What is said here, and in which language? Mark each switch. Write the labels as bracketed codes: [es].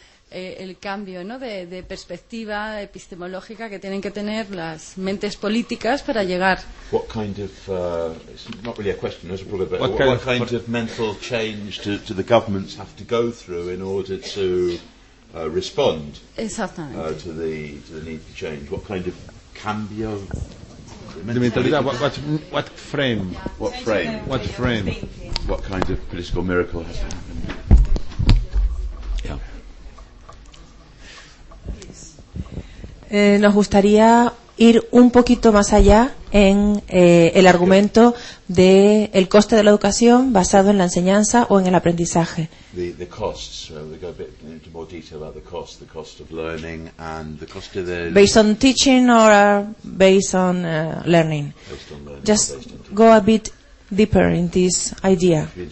[es] el cambio, ¿no?, de perspectiva epistemológica que tienen que tener las mentes políticas para llegar. [en] What kind of it's not really a question, it's a problem, but what kind of mental change to the governments have to go through in order to respond to the need for change? What kind of cambio? The mentalidad, what frame? What kind of political miracle has to happen? [es] Nos gustaría ir un poquito más allá en el argumento del coste de la educación basado en la enseñanza o en el aprendizaje. [en] The costs, we go a bit into more detail about the cost of learning and the cost of the... Based on teaching or based on learning? Based on learning. Just go a bit deeper in this idea.